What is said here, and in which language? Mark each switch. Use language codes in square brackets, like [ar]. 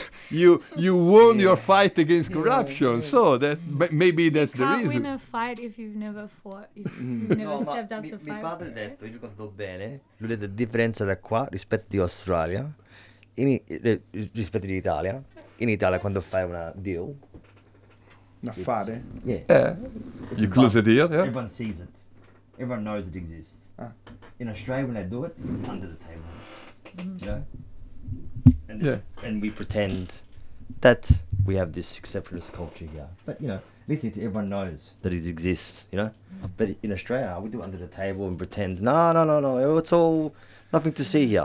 [en] you won your fight against corruption, so that maybe that's you the can't reason. You can't win a fight if you've never fought, if you've never stepped up to mi fight. [it] Mi padre ha detto, io conto bene, lui ha detto, differenza da qua rispetto di Australia, rispetto di Italia, in Italia quando fai una deal. Un affare? [en] Yeah. You close a deal, yeah? Everyone sees it. Everyone knows it exists. In Australia when they do it, it's under the table. You know? And we pretend that we have this exceptionalist culture here. But, you know, listening to everyone knows that it exists, you know. But in Australia, we do it under the table and pretend, no, it's all nothing to see here.